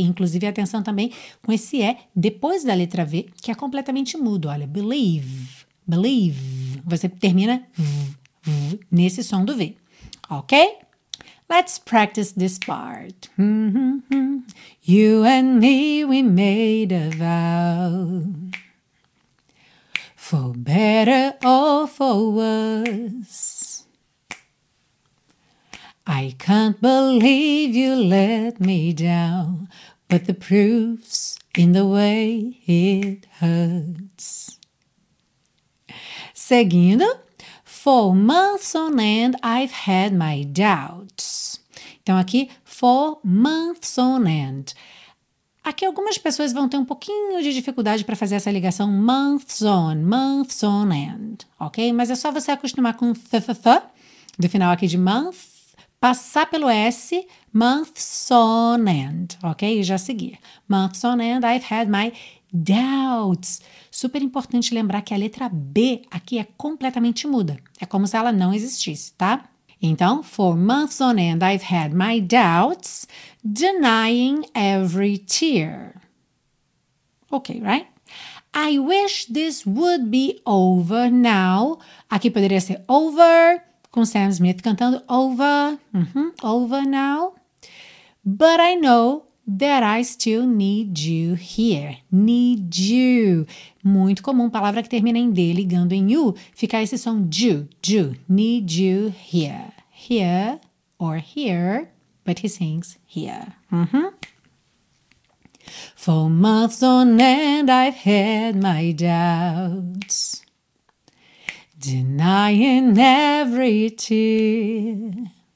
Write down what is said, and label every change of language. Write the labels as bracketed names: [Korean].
[Portuguese] Inclusive, atenção também com esse E depois da letra V, que é completamente mudo. Olha, believe, believe. Você termina v, nesse som do V, ok? [English] Let's practice this part. You and me, we made a vow. For better or for worse, I can't believe you let me down, but the proof's in the way it hurts. Seguindo, for months on end I've had my doubts. Então aqui, for months on end. [Portuguese] Aqui algumas pessoas vão ter um pouquinho de dificuldade para fazer essa ligação months on end, ok? Mas é só você acostumar com th, do final aqui de month, passar pelo S, months on end, ok? E já seguir. [English] Months on end, I've had my doubts. [Portuguese] Super importante lembrar que a letra B aqui é completamente muda. É como se ela não existisse, tá? [English] Então, for months on end, I've had my doubts, denying every tear. Okay, right? I wish this would be over now. [Portuguese] Aqui poderia ser over, com Sam Smith cantando over, over now. [English] But I know that I still need you here. Need you. [Portuguese] Muito comum, palavra que termina em D, ligando em U, fica esse som ju, ju, need you here. [English] Here or here, but he sings here. For months on end, I've had my doubts, denying every tear.